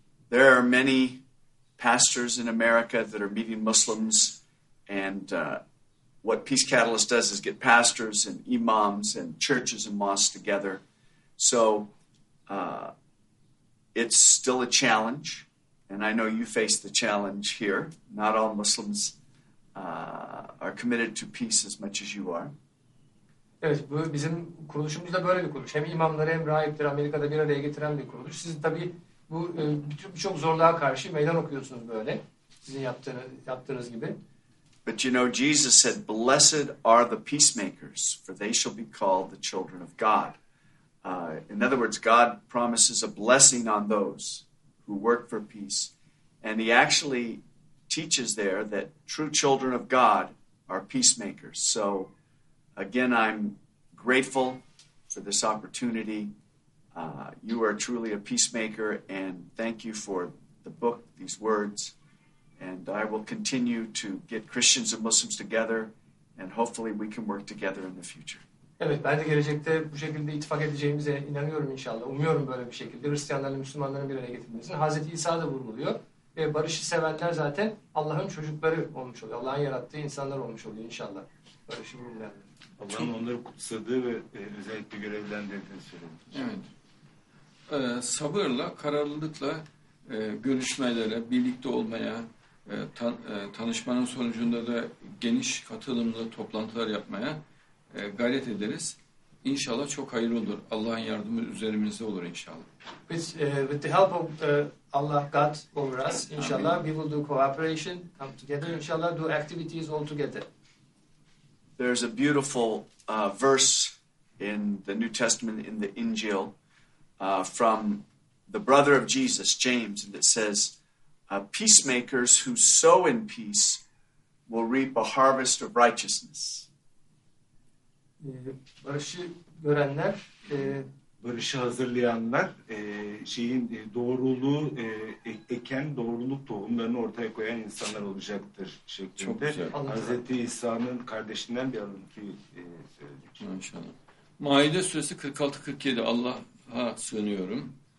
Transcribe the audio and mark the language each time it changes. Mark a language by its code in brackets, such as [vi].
[en] There are many pastors in America that are meeting Muslims, and what Peace Catalyst does is get pastors and imams and churches and mosques together. So it's still a challenge, and I know you face the challenge here. Not all Muslims are committed to peace as much as you are. [tr] Evet, bu bizim kuruluşumuzda böyle bir kuruluş. Hem imamları hem rahipleri Amerika'da bir araya getiren bir kuruluş. Siz tabii bu birçok zorluğa karşı meydan okuyorsunuz böyle. Sizin yaptığınız gibi. [en] But you know, Jesus said, "Blessed are the peacemakers, for they shall be called the children of God." In other words, God promises a blessing on those who work for peace. And he actually teaches there that true children of God are peacemakers. So again, I'm grateful for this opportunity. You are truly a peacemaker, and thank you for the book, these words. And I will continue to get Christians and Muslims together, and hopefully we can work together in the future. [tr] Evet, ben de gelecekte bu şekilde ittifak edeceğimize inanıyorum inşallah. Umuyorum böyle bir şekilde Hristiyanların, Müslümanların bir araya getirmesini. Hazreti İsa da vurguluyor. Ve barışı sevenler zaten Allah'ın çocukları olmuş oluyor. Allah'ın yarattığı insanlar olmuş oluyor inşallah. Barışı vurgulayanlar. Allah'ın onları kutsadığı ve özellikle görevlendirdiğini söylemiştim. Evet. Sabırla, kararlılıkla görüşmelere, birlikte olmaya, tanışmanın sonucunda da geniş katılımlı toplantılar yapmaya gayret ederiz. İnşallah çok hayırlı olur. Allah'ın yardımı üzerimizde olur inşallah. [en] With, with the help of Allah, God over us, inşallah Amin. We will do cooperation, come together, inşallah do activities all together. There's a beautiful verse in the New Testament, in the Injil, from the brother of Jesus, James, and it says, peacemakers who sow in peace will reap a harvest of righteousness. [tr] Barışı görenler, barışı hazırlayanlar, şeyin doğruluğu eken, doğruluk tohumlarını ortaya koyan insanlar olacaktır şeklinde. Çok güzel. Hazreti İsa'nın kardeşinden bir alıntı söyledik. İnşallah. Maide suresi 46-47. Allah'a sığınıyorum.